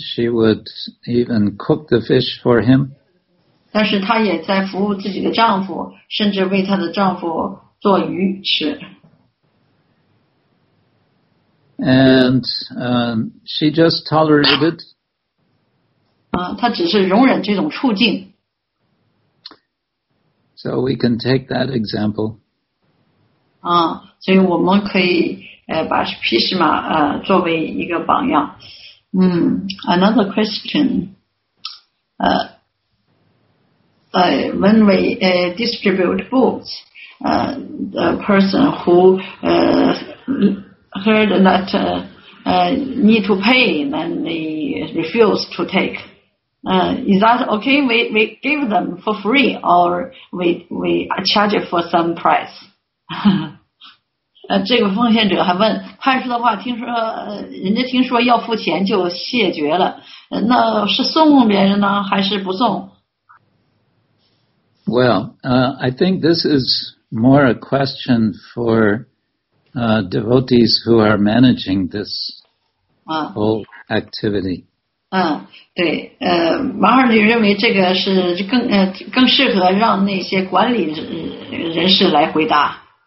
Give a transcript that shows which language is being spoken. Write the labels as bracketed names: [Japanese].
[English] She would even cook the fish for him. [Chinese] 但是她也在服务自己的丈夫，甚至为她的丈夫做鱼吃。 [English] And she just tolerated it. [Chinese] 她只是容忍这种处境。 [English] So we can take that example. [Chinese] 所以我们可以把毗湿玛作为一个榜样。 [English] Another question. When we distribute books, the person who heard that need to pay, then they refuse to take. Is that okay? We give them for free, or we charge it for some price? [Chinese] 这个奉献者还问，拍摄的话，听说人家听说要付钱就谢绝了，那是送别人呢，还是不送？ [English] Well, I think this is more a question for devotees who are managing this whole activity. [Chinese] 对，Maharaji 认为这个是更适合让那些管理人士来回答。